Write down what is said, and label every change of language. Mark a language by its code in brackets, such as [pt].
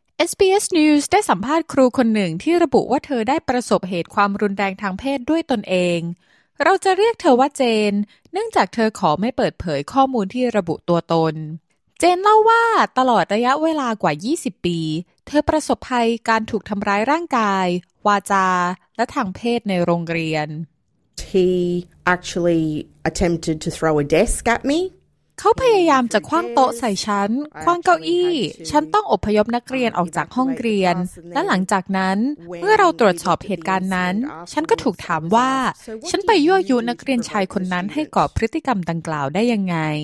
[th] SBS News ได้สัมภาษณ์ครูคนหนึ่งที่ระบุว่าเธอได้ประสบเหตุความรุนแรงทางเพศด้วยตนเองเราจะเรียกเธอว่าเจนเนื่องจากเธอขอไม่เปิดเผยข้อมูลที่ระบุตัวตนเจนเล่าว่าตลอดระยะเวลากว่า20ปีเธอประสบภัยการถูกทำร้ายร่างกายวาจาและทางเพศในโรงเรียน [en] He actually attempted to throw a desk at me [th] เขาพยายามจะคว้างโต๊ะใส่ฉันคว้างเก้าอี้ฉันต้องอพยพนักเรียนออกจากห้องเรียนและหลังจากนั้นเมื่อเราตรวจสอบเหตุการณ์นั้นฉันก็ถูกถามว่าฉันไปยั่วยุนักเรียนชายคนนั้นให้ก่อพฤติกรรมดังกล่าวได้ยังไง